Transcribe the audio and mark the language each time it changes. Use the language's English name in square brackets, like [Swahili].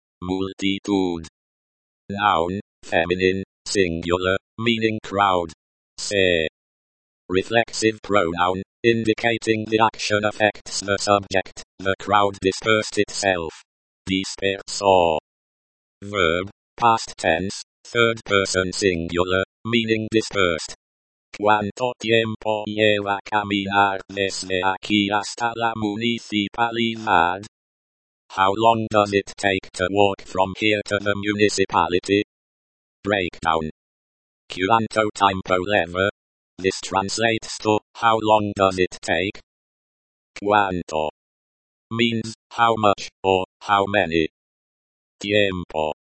[English] Multitud. Noun, feminine, singular, meaning crowd. Se. Reflexive pronoun, indicating the action affects the subject. The crowd dispersed itself. Disperso. Verb, past tense, third person singular, meaning dispersed. [Spanish] ¿Cuánto tiempo lleva caminar desde aquí hasta la municipalidad? [English] How long does it take to walk from here to the municipality? Breakdown. [Spanish] ¿Cuánto tiempo lleva? [English] This translates to, how long does it take? ¿Cuánto? Means, how much, or, how many. Tiempo.